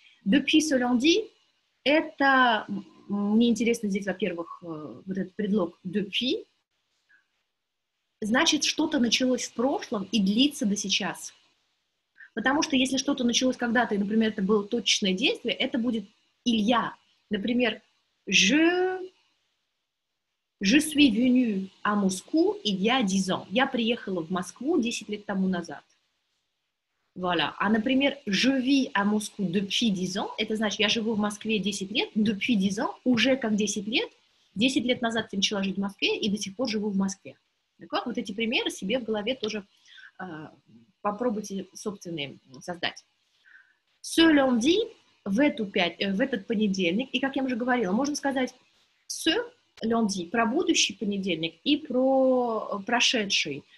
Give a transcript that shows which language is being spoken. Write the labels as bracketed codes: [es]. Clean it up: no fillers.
[fr] Depuis ce lundi, [ru] это, мне интересно здесь, во-первых, вот этот предлог depuis, значит, что-то началось в прошлом и длится до сейчас. Потому что если что-то началось когда-то, и, например, это было точечное действие, это будет Илья. Например, [fr] je suis venue à Moscou il y a 10 ans. [ru] Я приехала в Москву 10 лет тому назад. [fr] Voilà. [ru] А, например, [fr] je vis à Moscou depuis 10 ans. [ru] Это значит, я живу в Москве 10 лет, [fr] depuis 10 ans, [ru] уже как 10 лет. 10 лет назад я начала жить в Москве и до сих пор живу в Москве. [fr] D'accord? [ru] Вот эти примеры себе в голове тоже попробуйте собственные создать. [fr] Ce lundi, [ru] в этот понедельник, и, как я уже говорила, можно сказать [fr] ce lundi, [ru] про будущий понедельник и про прошедший.